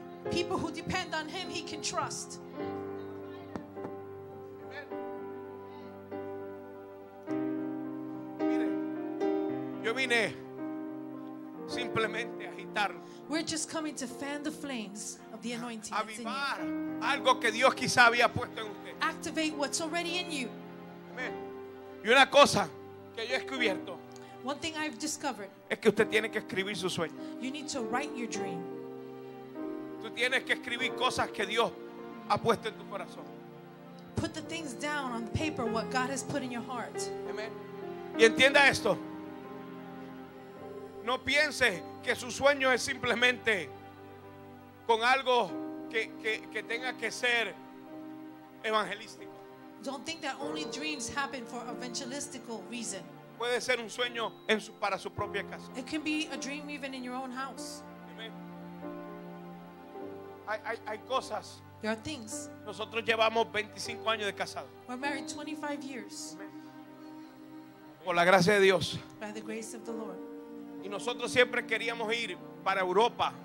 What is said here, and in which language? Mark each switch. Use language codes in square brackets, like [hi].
[en] People who depend on him, he can trust. [es] Amen. Mire, yo vine simplemente a agitar. [en] We're just coming to fan the flames of the anointing. [es] Avivar algo que Dios quizá había puesto en usted. [en] Activate what's already in you. [es] Amen. Y una cosa que yo he descubierto. [en] One thing I've discovered. [es] Es que usted tiene que escribir su sueño. [en] You need to write your dream. [es] Tú tienes que escribir cosas que Dios ha puesto en tu corazón. [en] Put the things down on the paper what God has put in your heart. [es] Amen. Y entienda esto. No piense que su sueño es simplemente con algo que tenga que ser evangelístico. [en] Don't think that only dreams happen for evangelistical reason. [es] Puede ser un sueño para su propia casa. [en] It can be a dream even in your own house. Amen. [es] Hay cosas. [en] There are things. [es] Nosotros llevamos 25 años de casado. [en] We're married 25 years. [es] Amen. Por la gracia de Dios. [en] By the grace of the Lord. [es] Y nosotros siempre queríamos ir para Europa.